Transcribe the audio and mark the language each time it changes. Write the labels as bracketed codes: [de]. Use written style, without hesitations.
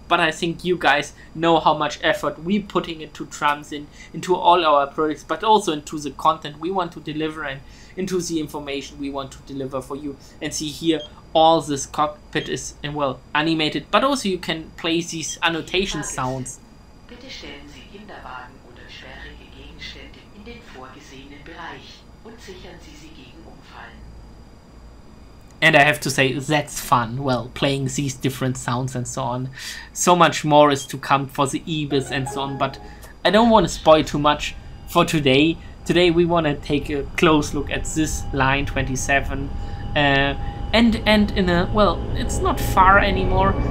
[en] But I think you guys know how much effort we're putting into TramSim, into all our projects, but also into the content we want to deliver and into the information we want to deliver for you. And see here, all this cockpit is, well, animated, but also you can play these annotation sounds. [de] Bitte stellen Sie Kinderwagen oder schwere Gegenstände in den vorgesehenen Bereich und sichern Sie sie gegen Umfallen. [en] And I have to say, that's fun, well, playing these different sounds and so on. So much more is to come for the Ibis and so on, but I don't want to spoil too much for today. Today we want to take a close look at this line 27. And in a, well, it's not far anymore.